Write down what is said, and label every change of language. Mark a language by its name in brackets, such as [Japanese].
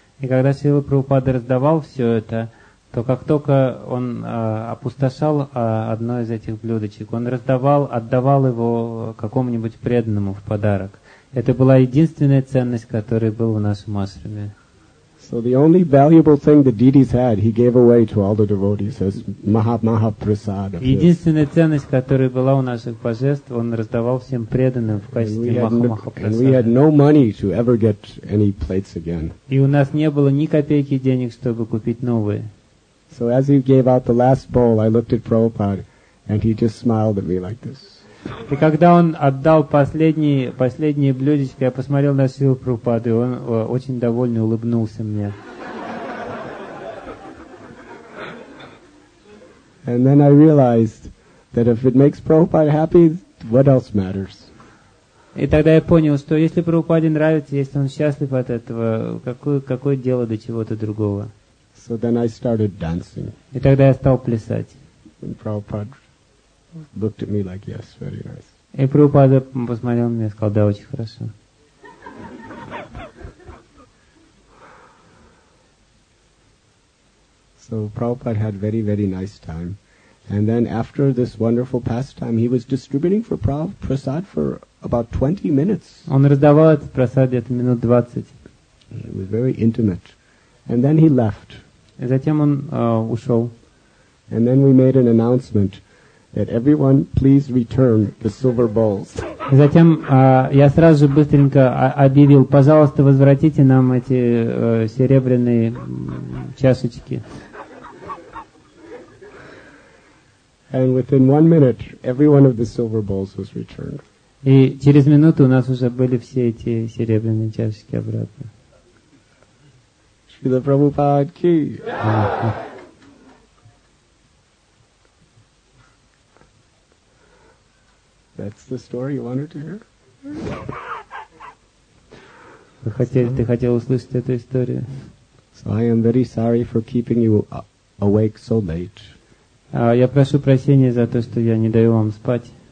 [Russian] И когда Шрила Прабхупада раздавал все это, то как только он опустошал одно из этих блюдечек, он отдавал его какому-нибудь преданному в подарок. Это была единственная ценность, которая была в нашем ашраме. [English] So the only valuable thing the deities had, he gave away to all the devotees as maha prasad. [Russian] Единственная ценность, которая была у наших божеств, он раздавал всем преданным в качестве маха прасада. [English] And we had no money to ever get any plates again. [Russian] И у нас не было ни копейки денег, чтобы купить новые. [English] So as he gave out the last bowl, I looked at Prabhupada, and he just smiled at me like this. [Russian] И когда он отдал последнее блюдечко, я посмотрел на Шрилу Прабхупаду, и он очень довольный улыбнулся мне. [English] And then I realized that if it makes Prabhupada happy, what else matters? [Russian] И тогда я понял, что если Прабхупаде нравится, если он счастлив от этого, какое дело до чего-то другого? [English] So then I started dancing. [Russian] И тогда я стал плясать. [English] And Prabhupada looked at me like, yes, very nice. [Russian] И Прабхупада посмотрел на меня и сказал, да, очень хорошо. [English] So Prabhupada had very, very nice time. And then after this wonderful pastime, he was distributing for prasad for about 20 minutes. [Russian] Он раздавал этот прасад где-то минут 20. [English] It was very intimate. And then he left. [Russian] И затем он ушел. [English] And then we made an announcement that everyone please return the silver bowls. [Russian] И затем я сразу же быстренько объявил, пожалуйста, возвратите нам эти серебряные чашечки. [English] And within 1 minute, every one of the silver bowls was returned. [Russian] И через минуту у нас уже были все эти серебряные чашечки обратно. Шрила Прабхупада ки! [English] That's the story you wanted to hear? [Russian] Ты хотел услышать эту историю? [English] So I am very sorry for keeping you awake so late. [Russian] Я прошу прощения за то, что я не даю вам спать.